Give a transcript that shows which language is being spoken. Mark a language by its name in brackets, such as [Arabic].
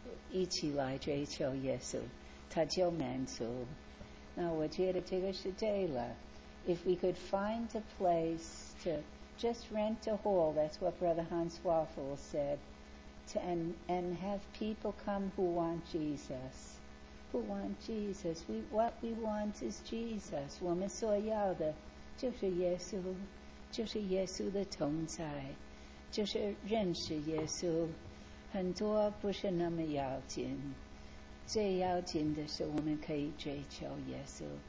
[Chinese] 一起来追求耶稣，他就满足。那我觉得这个是对了。 [English] If we could find a place to just rent a hall, that's what Brother Hans Waffle said, and have people come who want Jesus. Who want Jesus? What we want is Jesus. [Chinese] 我们所要的就是耶稣，就是耶稣的同在，就是认识耶稣。很多不是那么要紧，最要紧的是我们可以追求耶稣。